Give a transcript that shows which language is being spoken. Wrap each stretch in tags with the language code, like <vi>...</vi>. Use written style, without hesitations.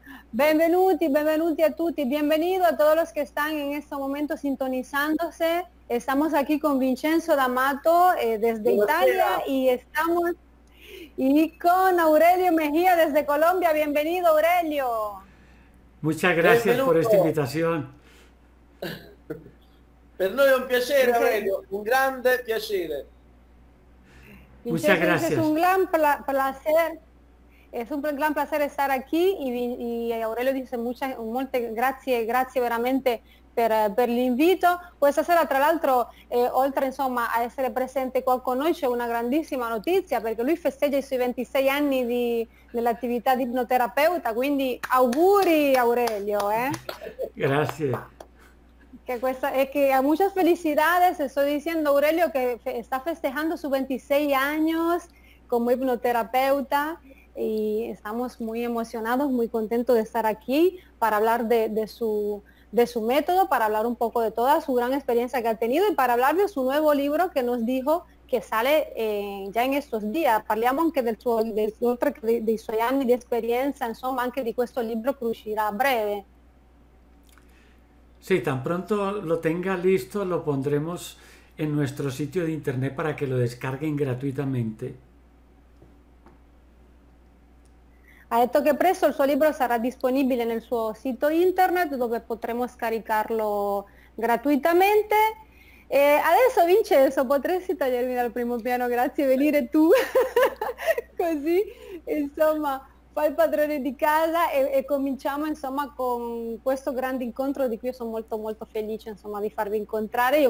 <it>Benvenuti, benvenuti a tutti,</it> <es>bienvenido a todos los que están en este momento sintonizándose. Estamos aquí con Vincenzo D'Amato, desde Italia,</es> <it>Buonasera.</it> <es>y con Aurelio Mejía desde Colombia. Bienvenido, Aurelio. Muchas gracias por esta</es> <it>Benvenuto.</it> <es>invitación.</es> <it>Per noi è un piacere, Vincenzo, Aurelio, un grande piacere.</it> <es>muchas dice, es gracias. un gran placer, es un gran placer estar aquí y Aurelio dice</es> <it>molte grazie, grazie veramente per l'invito. Questa sera, tra l'altro, oltre insomma a essere presente qua con noi, c'è una grandissima notizia perché lui festeggia i suoi 26 anni dell'attività di ipnoterapeuta, quindi auguri Aurelio,</it> <es>Gracias. Que cuesta, es que a muchas felicidades, estoy diciendo Aurelio que está festejando sus 26 años como hipnoterapeuta y estamos muy emocionados, muy contentos de estar aquí para hablar de su método, para hablar un poco de toda su gran experiencia que ha tenido y para hablar de su nuevo libro que nos dijo que sale ya en estos días.</es> <it>Parliamo anche dei suoi anni di esperienza, insomma, anche di questo libro che uscirà a breve.</it> <es>Sí, tan pronto lo tenga listo, lo pondremos en nuestro sitio de internet para que lo descarguen gratuitamente.</es> <it>Ha detto che presto il suo libro sarà disponibile nel suo sito internet dove potremo scaricarlo gratuitamente. E adesso Vincenzo, potresti togliermi dal primo piano, grazie, venire tu. Così, insomma, fai il padrone di casa e cominciamo insomma con questo grande incontro di cui sono molto molto felice insomma di farvi incontrare.</it>